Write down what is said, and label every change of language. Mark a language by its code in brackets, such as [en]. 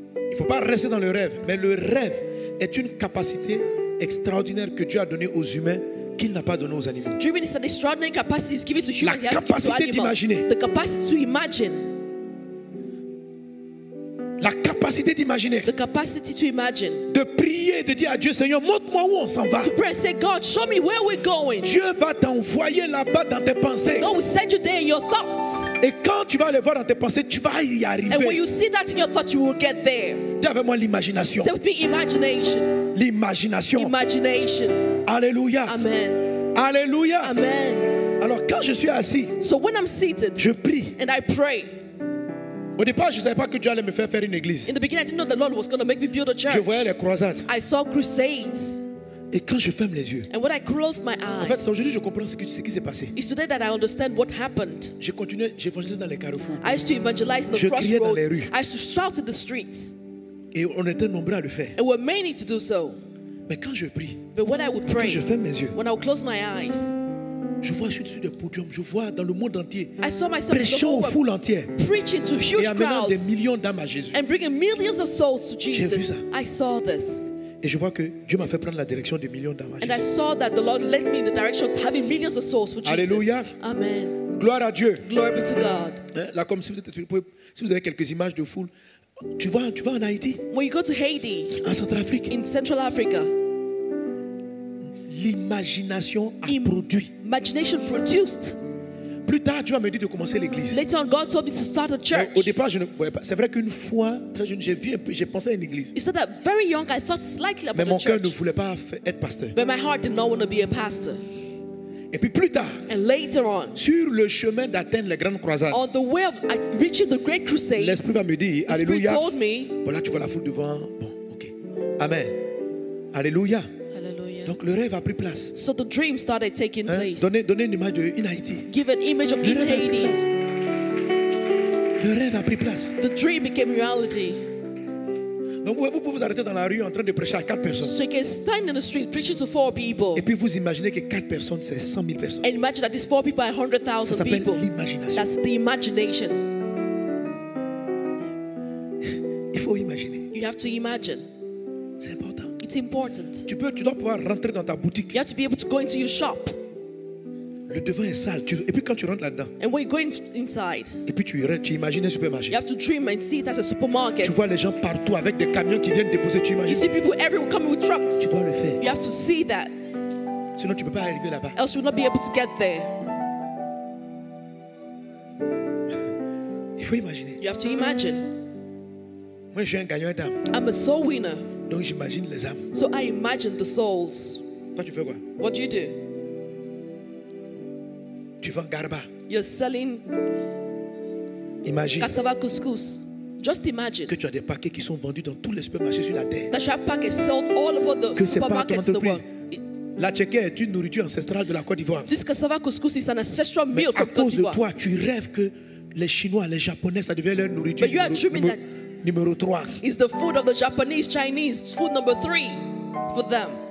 [fr] Il faut pas rester dans le rêve, mais le rêve est une capacité extraordinaire que Dieu a donnée aux humains. Qu'il n'a pas donné aux animaux. [en] Dreaming is an extraordinary capacity. Give it to humans. [fr] La capacité d'imaginer. [en] The capacity to imagine. [fr] La capacité d'imaginer. [en] The capacity to imagine. [fr] De prier, de dire à Dieu, Seigneur, montre-moi où on s'en va. [en] To pray, say, God, show me where we're going. [fr] Dieu va t'envoyer là-bas dans tes pensées. [en] God will send you there in your thoughts. [fr] Et quand tu vas le voir dans tes pensées, tu vas y arriver. [en] And when you see that in your thoughts, you will get there. [fr] Dis avec moi l'imagination. [en] Say with me, imagination. [fr] L'imagination. [en] Imagination. Alléluia. Amen. Alléluia. Amen. [fr] Alors quand je suis assis, [en] so when I'm seated, [fr] je prie. [en] And I pray. [fr] Au départ, je savais pas que Dieu allait me faire faire une église. [en] In the beginning, I didn't know the Lord was going to make me build a church. [fr] Je voyais les croisades. [en] I saw crusades. [fr] Et quand je ferme les yeux, [en] and when I closed my eyes, [fr] en fait, c'est aujourd'hui que je comprends ce qui s'est passé. [en] It's today that I understand what happened. [fr] J'ai continué, j'évangélisais dans les carrefours. [en] I used to evangelize in the crossroads. [fr] Je criais dans les rues. [en] I used to shout in the streets. [fr] Et on était nombreux à le faire. [en] And we're many to do so. [fr] Mais quand je prie, [en] but when I would pray, [fr] quand je ferme mes yeux, [en] when I would close my eyes, [fr] je vois je suis sur le podium, je vois dans le monde entier, [en] I saw myself [fr] prêchant aux foules entières, [en] preaching to huge [fr] et amenant [en] crowds, [fr] des millions d'âmes à Jésus. [en] And bringing millions of souls to Jesus. [fr] J'ai vu ça. [en] I saw this. [fr] Et je vois que Dieu m'a fait prendre la direction des millions d'âmes à Jésus. [en] And I saw that the Lord led me in the direction of having millions of souls for Jesus. Alléluia. Amen. [fr] Gloire à Dieu. [en] Glory be to God. [fr] Là, comme si vous êtes, si vous avez quelques images de foule. Tu vas en Haïti? [en] When you go to Haiti, [fr] en Centrafrique, [en] in Central Africa, [fr] l'imagination a produit. [en] Imagination produced. [fr] Plus tard, Dieu m'a dit de commencer l'église. [en] Later on, God told me to start a church. [fr] Au départ, je ne voyais pas. C'est vrai qu'une fois, très jeune, j'ai vu un peu, j'ai pensé à une église. [en] He said that very young, I thought slightly about [fr] Mais mon cœur ne voulait pas être pasteur. [en] But my heart did not want to be a pastor. [fr] Et puis plus tard, [en] and later on, [fr] sur le chemin d'atteindre les grandes croisades, [en] on the way of reaching the great crusades, [fr] l'Esprit va me dire, Alléluia. [en] The Spirit told me, [fr] bon là tu vois la foule devant, bon, ok. Amen. Alléluia. Alléluia. Donc le rêve a pris place. [en] So the dream started taking place. [fr] Donnez une image de [en] in Haiti. Give an image of in Haiti. [fr] Le rêve a pris place. [en] The dream became reality. [fr] Donc vous pouvez vous arrêter dans la rue en train de prêcher à quatre personnes. [en] So you can stand in the street preaching to four people. [fr] Et puis vous imaginez que quatre personnes c'est 100,000 personnes. [en] And imagine that these four people are 100,000 people. [fr] Ça s'appelle l'imagination. [en] That's the imagination. [fr] Il faut imaginer. [en] You have to imagine. [fr] C'est important. [en] It's important. [fr] Tu dois pouvoir rentrer dans ta boutique. [en] You have to be able to go into your shop. [fr] Le devant est sale. Et puis quand tu rentres là-dedans. [en] And when you go inside. [fr] Et puis tu imagines un supermarché. [en] You have to dream and see it as a supermarket. [fr] Tu vois les gens partout avec des camions qui viennent déposer. Tu imagines. [en] You see people everywhere coming with trucks. [fr] Tu dois le faire. [en] You have to see that. [fr] Sinon tu peux pas arriver là-bas. [en] Else you will not be able to get there. [fr] Il faut imaginer. [en] You have to imagine. [fr] Moi je suis un gagnant d'âme. [en] I'm a soul winner. [fr] Donc j'imagine les âmes. [en] So I imagine the souls. [fr] Toi tu fais quoi? [en] What do you do? [fr] Tu vends garba. [en] You're selling. Imagine. Cassava couscous. Just imagine. [fr] Que tu as des paquets qui sont vendus dans tous les supermarchés sur la terre. [en] That your pack is sold all over the [fr] que [en] supermarkets in the world. [fr] La tchèque est une nourriture ancestrale de la Côte d'Ivoire. [en] This cassava couscous is an ancestral meal [fr] mais [en] from [fr] à cause [en] Côte d'Ivoire. [fr] De toi, tu rêves que les Chinois, les Japonais, ça devient leur nourriture. [en] But you are dreaming that [fr] numéro 3. [en] It's the food of the Japanese, Chinese, food number 3 for them.